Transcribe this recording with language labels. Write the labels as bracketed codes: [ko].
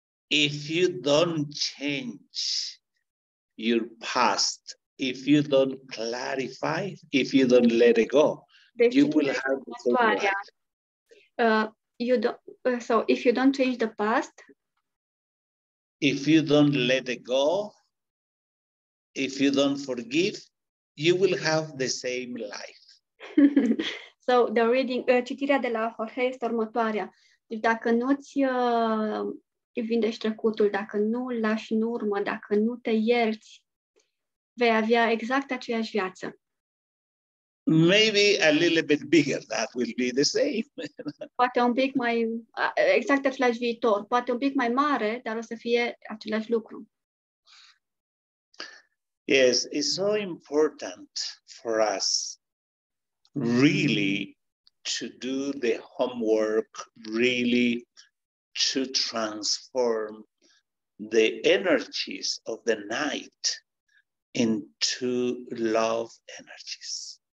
[en] If you don't change your past, if you don't clarify, if you don't let it go, [ro] deci [en] you will have to life. So if you don't change the past, if you don't let it go, if you don't forgive, you will have the same life. So the reading, [ro] citirea de la Jorge este următoarea. Deci dacă nu-ți vindești trecutul, dacă nu lași în urmă, dacă nu te ierți, vei avea exact aceeași viață. [en] Maybe a little bit bigger, that will be the same. [ro] Poate un pic mai, exact același viitor, poate un pic mai mare, dar o să fie același lucru. [en] Yes, it's so important for us really to do the homework, really to transform the energies of the night into love energies.